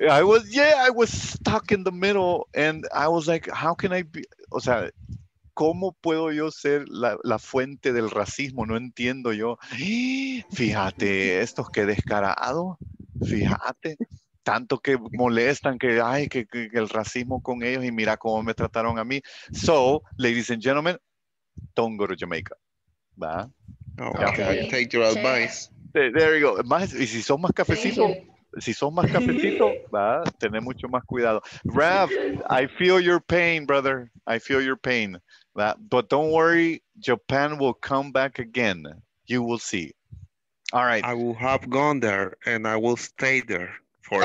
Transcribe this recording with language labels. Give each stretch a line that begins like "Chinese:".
English: I was stuck in the middle and I was like, how can I be,
Spanish: o sea, ¿cómo puedo yo ser la fuente del racismo? No entiendo yo. Fíjate, estos qué descarado. Fíjate, tanto que molestan, que ay, que el racismo con ellos, y mira cómo me trataron a mí.
English: So, ladies and gentlemen, don't go to Jamaica.
Spanish: ¿Va?
English: Okay, yeah. Take your advice. There you go.
Spanish: Más, y si son más cafecitos. Si son más cafecitos, va, tener mucho más cuidado.
English: Rav, I feel your pain, brother. I feel your pain. But don't worry, Japan will come back again. You will see. All right. I will have gone there and I will stay there forever.